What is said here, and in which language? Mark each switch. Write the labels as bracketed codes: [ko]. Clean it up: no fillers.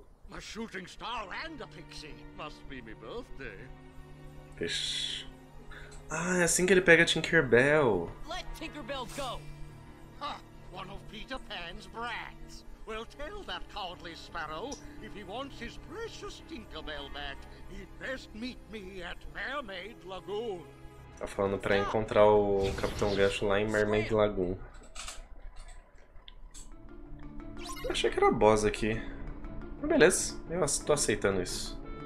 [en] A shooting star and a pixie. Must be my birthday. [pt] Ah, é assim que ele pega a Tinkerbell. [en] Let Tinkerbell go! One of Peter Pan's brats. Well, tell that cowardly sparrow if he wants his precious Tinkerbell back, he'd best meet me at Mermaid Lagoon. [pt] Tá falando pra encontrar o Capitão Gash lá em Mermaid Lagoon. Achei que era boss aqui. Mas beleza, eu tô aceitando isso.